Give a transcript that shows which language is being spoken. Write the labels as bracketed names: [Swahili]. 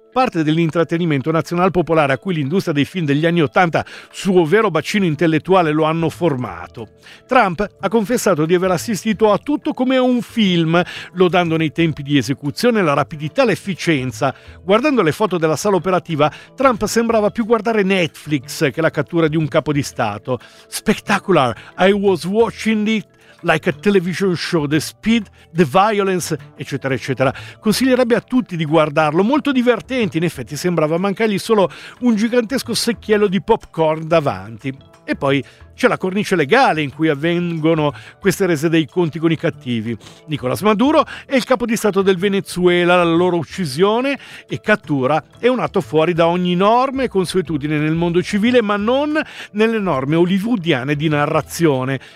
[Italian] Parte dell'intrattenimento nazionale popolare a cui l'industria dei film degli anni Ottanta, suo vero bacino intellettuale, lo hanno formato. Trump ha confessato di aver assistito a tutto come a un film, lodando nei tempi di esecuzione, la rapidità, l'efficienza. Guardando le foto della sala operativa, Trump sembrava più guardare Netflix che la cattura di un capo di Stato. [English] Spectacular, I was watching it like a television show, the speed, the violence, [Italian] eccetera eccetera. Consiglierebbe a tutti di guardarlo, molto divertente. In effetti sembrava mancargli solo un gigantesco secchiello di popcorn davanti. E poi c'è la cornice legale in cui avvengono queste rese dei conti con i cattivi. Nicolas Maduro è il capo di Stato del Venezuela, la loro uccisione e cattura è un atto fuori da ogni norma e consuetudine nel mondo civile, ma non nelle norme hollywoodiane di narrazione.